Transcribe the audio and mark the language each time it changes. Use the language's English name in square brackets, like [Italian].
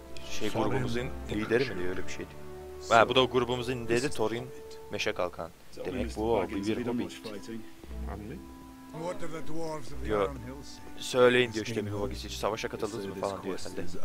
[Turkish] Şey, grubumuzun lideri mi diyor, öyle bir şey diyor. Ha, bu da grubumuzun lideri Thorin Meşekalkan. Demek bu o. Bir Hobbit. [English] What of the dwarves of the Iron Hills? [Turkish] Söyleyin diyor işte Bilbo Baggins, hiç savaşa katıldınız mı falan diyor sende.